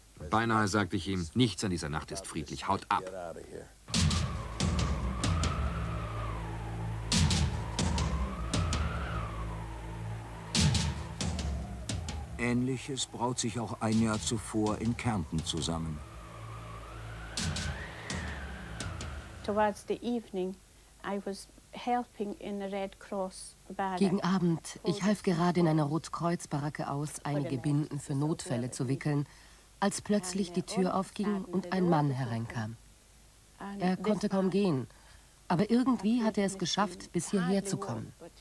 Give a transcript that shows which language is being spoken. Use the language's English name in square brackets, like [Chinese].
[German] Beinahe sagte ich ihm, nichts an dieser Nacht ist friedlich, haut ab. Ähnliches braut sich auch ein Jahr zuvor in Kärnten zusammen. [English] Towards the evening, I was helping in the Red Cross. [German] Gegen Abend, ich half gerade in einer Rotkreuzbaracke aus, einige Binden für Notfälle zu wickeln, als plötzlich die Tür aufging und ein Mann hereinkam. Er konnte kaum gehen, aber irgendwie hatte er es geschafft, bis hierher zu kommen.